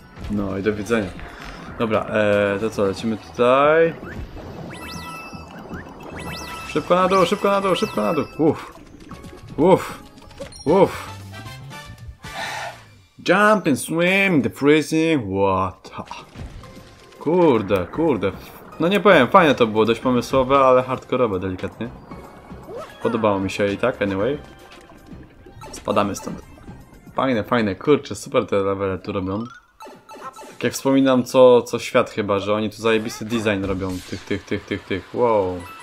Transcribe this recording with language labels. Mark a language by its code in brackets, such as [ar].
[pl] No i do widzenia. Dobra, to co, lecimy tutaj. Szybko na dół, szybko na dół, szybko na dół. Uff. [en] Jump and swim, the freezing water. [pl] Kurde. No nie powiem, fajne to było, dość pomysłowe, ale hardkorowe delikatnie. Podobało mi się i tak, anyway. Spadamy stąd. Fajne, kurczę, super te levele tu robią. Tak jak wspominam, co świat chyba, że oni tu zajebisty design robią. Tych. Wow.